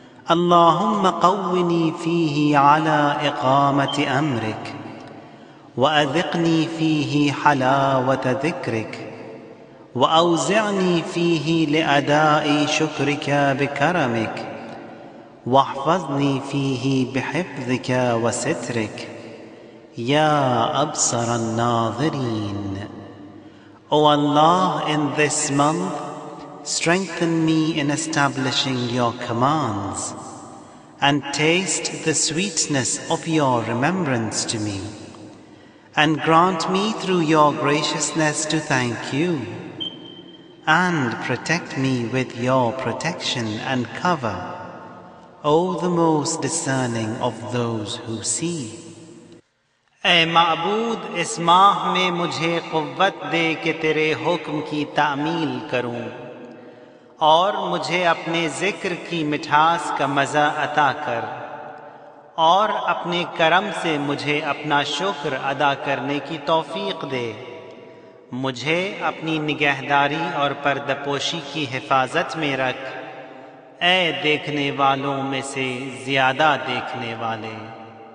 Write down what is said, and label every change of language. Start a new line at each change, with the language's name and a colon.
Arabic: اللهم قوني فيه على إقامة أمرك وأذقني فيه حلاوة ذكرك وأوزعني فيه لأداء شكرك بكرمك واحفظني فيه بحفظك وسترك يا أبصر الناظرين.
English: O Allah, in this month, strengthen me in establishing your commands and taste the sweetness of your remembrance to me and grant me through your graciousness to thank you and protect me with your protection and cover, O the most discerning of those who see.
Urdu: اے معبود، اس ماہ میں مجھے قوت دے کہ تیرے حکم کی تعمیل کروں اور مجھے اپنے ذکر کی مٹھاس کا مزہ عطا کر اور اپنے کرم سے مجھے اپنا شکر ادا کرنے کی توفیق دے، مجھے اپنی نگہداری اور پردہ پوشی کی حفاظت میں رکھ، اے دیکھنے والوں میں سے زیادہ دیکھنے والے.